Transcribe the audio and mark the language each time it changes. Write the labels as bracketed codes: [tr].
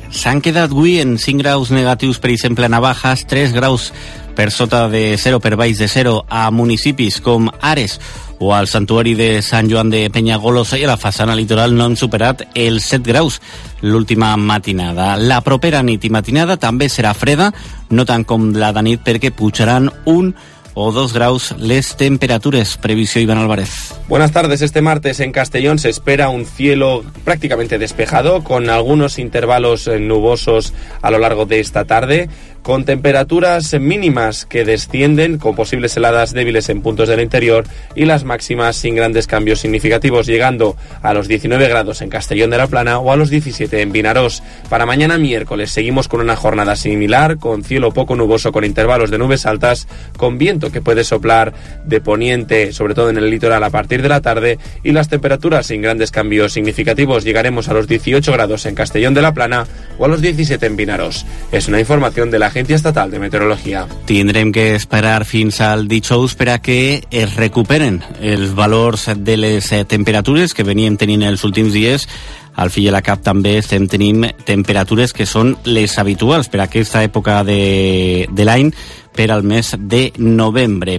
[ca] S'han quedat avui en 5 graus negatius, per exemple, a Navajas, 3 graus per sota de 0, per baix de 0, a municipis com Ares o al santuari de Sant Joan de Penyagolosa, i a la façana litoral no han superat els 7 graus l'última matinada. La propera nit i matinada també serà freda, no tant com la de nit, perquè pujaran un o 2 graus les temperatures. Previsió Iván Álvarez. [es] Buenas tardes. Este martes en Castellón se espera un cielo prácticamente despejado con algunos intervalos nubosos a lo largo de esta tarde, con temperaturas mínimas que descienden, con posibles heladas débiles en puntos del interior y las máximas sin grandes cambios significativos, llegando a los 19 grados en Castellón de la Plana o a los 17 en Vinaroz. Para mañana miércoles seguimos con una jornada similar, con cielo poco nuboso con intervalos de nubes altas, con viento que puede soplar de poniente, sobre todo en el litoral, a partir de la tarde, y las temperaturas sin grandes cambios significativos, llegaremos a los 18 grados en Castellón de la Plana o a los 17 en Vinaroz. Es una información de la Agència Estatal de Meteorologia. [ca] Tindrem que esperar fins al dijous per a que es recuperen els valors de les temperatures que veníem tenint els últims dies. Al fill i a la cap també estem tenint temperatures que són les habituals per a aquesta època de l'any, per al mes de novembre.